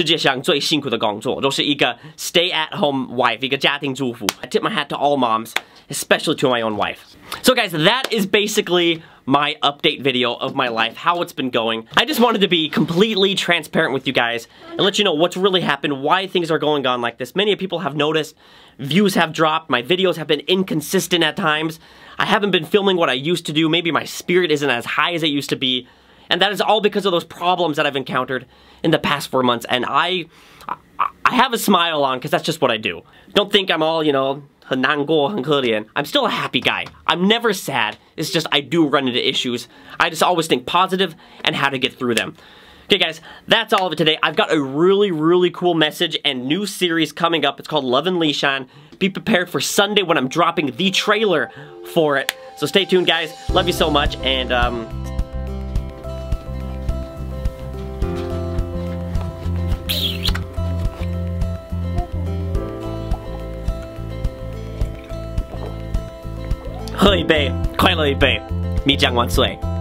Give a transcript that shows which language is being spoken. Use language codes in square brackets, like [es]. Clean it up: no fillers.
[zh] 但是她的工作确实就是世界上最辛苦的工作，就是一个 [en] stay at home wife, [zh] 一个家庭主妇. [en] I tip my hat to all moms, especially to my own wife. So guys, that is basically my update video of my life, how it's been going. I just wanted to be completely transparent with you guys and let you know what's really happened, why things are going on like this. Many people have noticed, views have dropped, my videos have been inconsistent at times. I haven't been filming what I used to do, maybe my spirit isn't as high as it used to be. And that is all because of those problems that I've encountered in the past 4 months. And I have a smile on because that's just what I do. Don't think I'm all, you know, [zh] 很难过，很可怜. [en] I'm still a happy guy. I'm never sad. It's just I do run into issues. I just always think positive and how to get through them. Okay, guys, that's all of it today. I've got a really, really cool message and new series coming up. It's called Love and Lishan. Be prepared for Sunday when I'm dropping the trailer for it. So stay tuned, guys. Love you so much. And, Hey babe, [zh] 快乐一杯，蜜酱万岁。